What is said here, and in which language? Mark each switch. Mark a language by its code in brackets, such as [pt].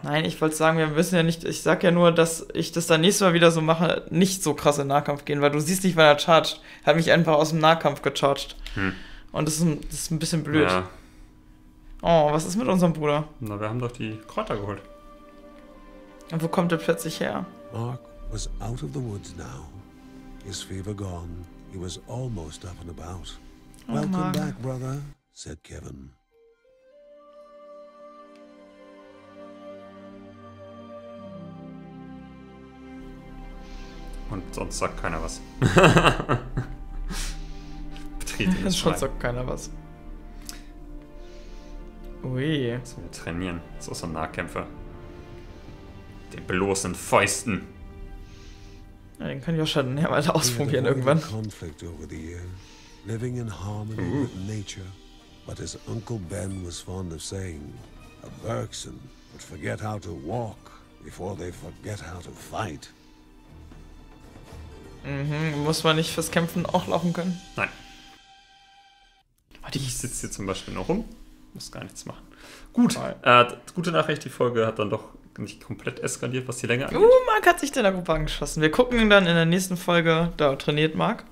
[de] Nein, ich wollte sagen, wir wissen ja nicht, ich sag ja nur, dass ich das dann nächstes Mal wieder so mache, nicht so krass in Nahkampf gehen, weil du siehst nicht, wann er charged. Hat mich einfach aus dem Nahkampf gecharged. Und das ist ein bisschen blöd. Ja. Oh, was ist mit unserem Bruder? Na, wir haben doch die Kräuter geholt. Und wo kommt er plötzlich her? [en] Mark was out of the woods now. His fever gone, he was almost up and about. Oh, welcome Mark. Back, brother, said Kevin. [de] Und sonst sagt keiner was. Schon sagt keiner was. Ui. So, wir trainieren. So, so ein Nahkämpfer. Den bloßen Fäusten. Ja, den kann Joscha dann ja mal ausprobieren irgendwann. [en] Conflict over the year, living in harmony with nature. But as Uncle Ben was fond of saying, a Bergson would forget how to walk before they forget how to fight. [de] Mhm, muss man nicht fürs Kämpfen auch laufen können? Nein. Ich sitze hier zum Beispiel noch rum, muss gar nichts machen. Gut, gute Nachricht, die Folge hat dann doch nicht komplett eskaliert, was die Länge angeht. Marc hat sich in der Gruppe angeschossen. Wir gucken dann in der nächsten Folge, da trainiert Marc.